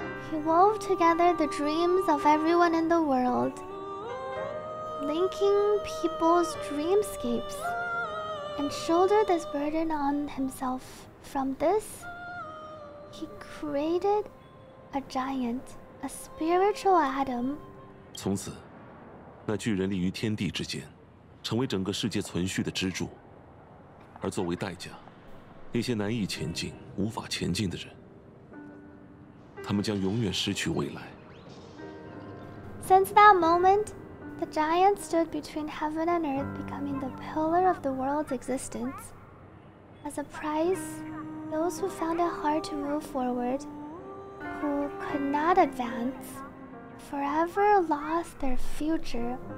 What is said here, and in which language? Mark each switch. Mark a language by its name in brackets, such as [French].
[English] He wove together the dreams of everyone in the world, linking people's dreamscapes, and shouldered this burden on himself. From this, he created a giant, a spiritual atom. [Chinese] 从此, 那巨人立于天地之间, 成为整个世界存续的支柱, 而作为代价, 那些难以前进, 无法前进的人, 他们将永远失去未来。 [English] Since that moment, the giant stood between heaven and earth, becoming the pillar of the world's existence. As a prize, those who found it hard to move forward, who could not advance, forever lost their future.